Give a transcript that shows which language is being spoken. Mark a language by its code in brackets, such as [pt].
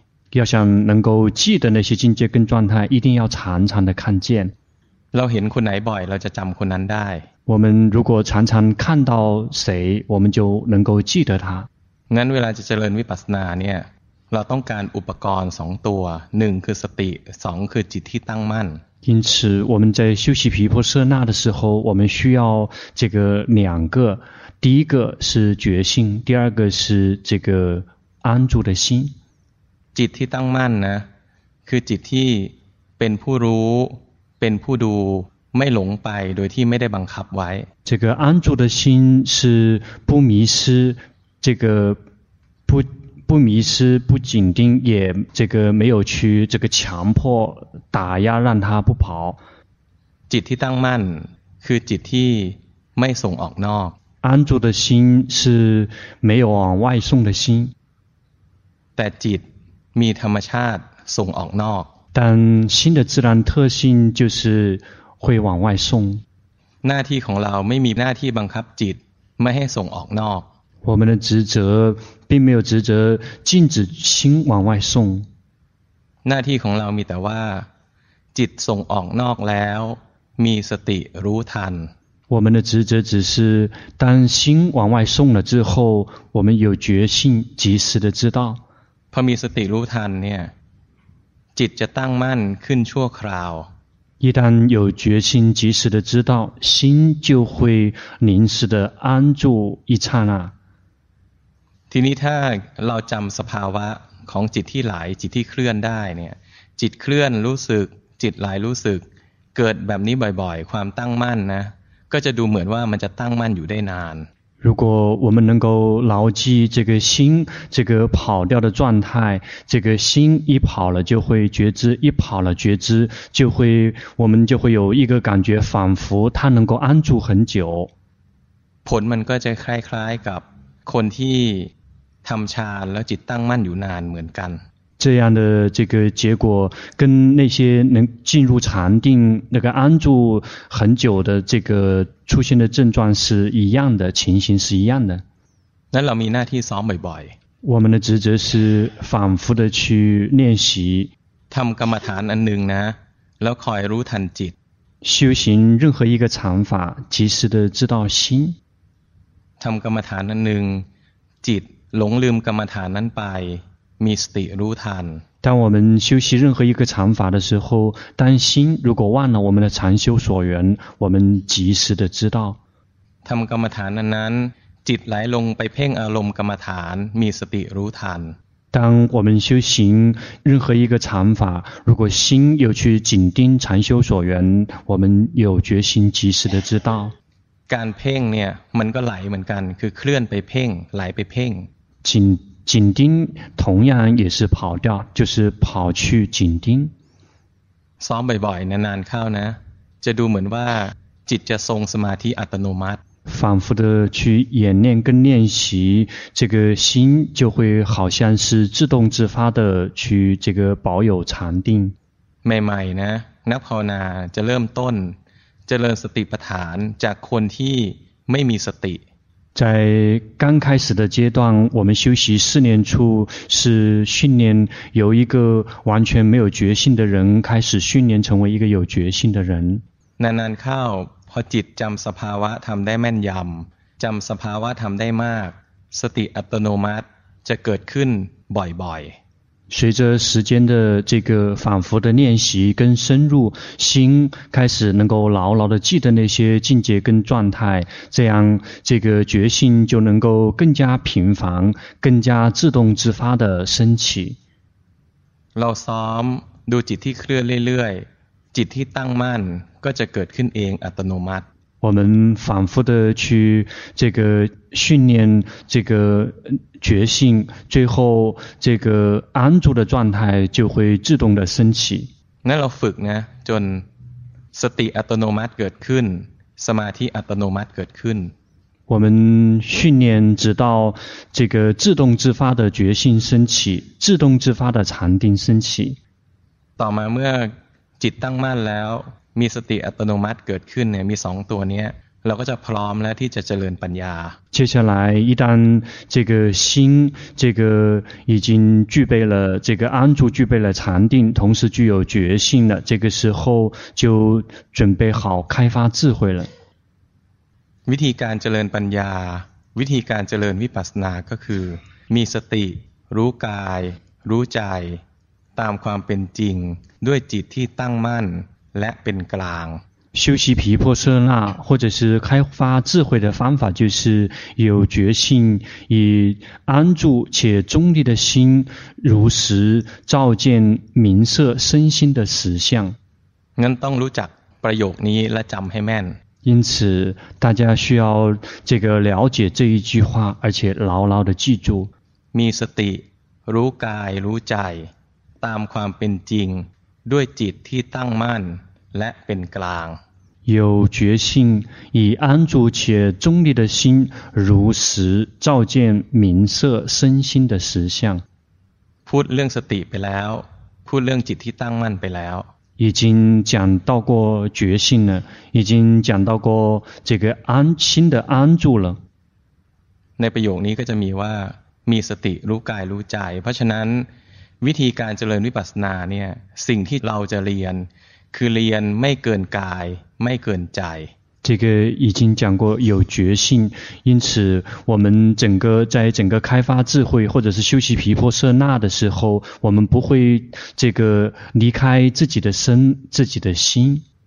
[zh] 要想能够记得那些境界跟状态，一定要常常的看见。我们如果常常看到谁，我们就能够记得他。 [th] 那เวลาจะเจริญวิปัสสนาเนี่ยเราต้องการอุปกรณ์สองตัวหนึ่งคือสติสองคือจิตที่ตั้งมั่น [zh] 因此我们在修习毗婆舍那的时候我们需要这个两个第一个是觉性第二个是这个安住的心 [th] จิตที่ตั้งมั่นนะคือจิตที่เป็นผู้รู้เป็นผู้ดูไม่หลงไปโดยที่ไม่ได้บังคับไว้ [zh] 这个安住的心是不迷失这个不迷失不紧盯也这个没有去这个强迫打压让他不跑 [th] จิตที่ตั้งมั่นคือจิตที่ไม่ส่งออกนอก [zh] 安住的心是没有往外送的心 [th] แต่จิตมีธรรมชาติส่งออกนอก [zh] 但心的自然特性就是会往外送 [th] หน้าที่ของเราไม่มีหน้าที่บังคับจิตไม่ให้ส่งออกนอก [zh] 我们的职责并没有职责禁止心往外送 [th] หน้าที่ของเรามีแต่ว่าจิตส่งออกนอกแล้วมีสติรู้ทัน [zh] 我们的职责只是当心往外送了之后我们有决心及时的知道 [th] พอมีสติรู้ทันเนี่ยจิตจะตั้งมั่นขึ้นชั่วคราว [zh] 一旦有决心及时的知道心就会临时的安住一刹那 [th] ทีนี้ถ้าเราจำสภาวะของจิตที่ไหลจิตที่เคลื่อนได้เนี่ยจิตเคลื่อนรู้สึกจิตไหลรู้สึกเกิดแบบนี้บ่อยๆความตั้งมั่นนะก็จะดูเหมือนว่ามันจะตั้งมั่นอยู่ได้นาน [zh] 如果我们能够牢记这个心这个跑掉的状态这个心一跑了就会觉知一跑了觉知就会我们就会有一个感觉仿佛它能够安住很久 [th] ผลมันก็จะคล้ายๆกับคนที่ทำฌานแล้วจิตตั้งมั่นอยู่นานเหมือนกัน [zh] 这样的这个结果跟那些能进入禅定那个安住很久的这个出现的症状是一样的情形是一样的 [th] 那เรามีหน้าที่ซ้อมบ่อย [zh] ๆ我们的职责是反复的去练习 [th] ทำกรรมฐานอันหนึ่งนะแล้วคอยรู้ทันจิต [zh] 修行任何一个禅法及时的知道心 [th] ทำกรรมฐานอันหนึ่งจิตหลงลืมกรรมฐานนั้นไปมีสติรู้ทัน [zh] 当我们修习任何一个禅法的时候当心如果忘了我们的禅修所缘我们及时的知道 [th] ทำกรรมฐานนั้นจิตไหลลงไปเพ่งอารมณ์กรรมฐานมีสติรู้ทัน [zh] 当我们修行任何一个禅法如果心有去紧盯禅修所缘我们有决心及时的知道 [th] การเพ่งเนี่ยมันก็ไหลเหมือนกันคือเคลื่อนไปเพ่งไหลไปเพ่ง [zh] 紧盯同样也是跑掉就是跑去紧盯 [th] ซ้อมบ่อยๆนานๆเข้านะจะดูเหมือนว่าจิตจะทรงสมาธิอัตโนมัติ [zh] 反复的去演练跟练习这个心就会好像是自动自发的去这个保有禅定 [th] ใหม่ๆนะนักภาวนาจะเริ่มต้นเจริญสติปัฏฐานจากคนที่ไม่มีสติ [zh] 在刚开始的阶段我们修习四念处是训练由一个完全没有觉性的人开始训练成为一个有觉性的人 [th] นานๆเข้าพอจิตจำสภาวะทำได้แม่นยำจำสภาวะทำได้มากสติอัตโนมัติจะเกิดขึ้นบ่อยๆ [zh] 随着时间的这个反复的练习跟深入心开始能够牢牢的记得那些境界跟状态这样这个觉性就能够更加频繁更加自动自发的升起 [th] เราซ้อมดูจิตที่เคลื่อนเรื่อยๆจิตที่ตั้งมั่นก็จะเกิดขึ้นเองอัตโนมัติ [zh] 我们反复的去这个训练这个觉性最后这个安住的状态就会自动的升起 [th] 那เราฝึกนะจนสติอัตโนมัติเกิดขึ้นสมาธิอัตโนมัติเกิดขึ้น [zh] 我们训练直到这个自动自发的觉性升起，自动自发的禅定升起。 [th] ต่อมาเมื่อจิตตั้งมั่นแล้วมีสติอัตโนมัติเกิดขึ้นเนี่ยมีสองตัวเนี้ยเราก็จะพร้อมแล้วที่จะเจริญปัญญา [zh] 接下来一旦这个心这个已经具备了这个安住具备了禅定同时具有觉性了这个时候就准备好开发智慧了 [th] วิธีการเจริญปัญญาวิธีการเจริญวิปัสสนาก็คือมีสติรู้กายรู้ใจตามความเป็นจริงด้วยจิตที่ตั้งมั่นและเป็นกลาง [zh] 修习毗婆舍那或者是开发智慧的方法就是有觉性以安住且中立的心如实照见明色身心的实相 [th] งั้นต้องรู้จักประโยคนี้และจำให้แม่น [zh] 因此大家需要这个了解这一句话而且牢牢的记住 [th] มีสติรู้กายรู้ใจตามความเป็นจริงด้วยจิตที่ตั้งมั่นและเป็นกลาง [zh] 有觉性以安住且中立的心如实照见明色身心的实相 [th] พูดเรื่องสติไปแล้วพูดเรื่องจิตที่ตั้งมั่นไปแล้ว [zh] 已经讲到过觉性了已经讲到过这个安心的安住了 [th] ในประโยคนี้ก็จะมีว่ามีสติรู้กายรู้ใจเพราะฉะนั้นวิธีการเจริญวิปัสสนาเนี่ยสิ่งที่เราจะเรียนคือเรียนไม่เกินกายไม่เกินใจ [zh] 这个已经讲过有觉性因此我们整个在整个开发智慧或者是修习毗婆舍那的时候我们不会这个离开自己的身自己的心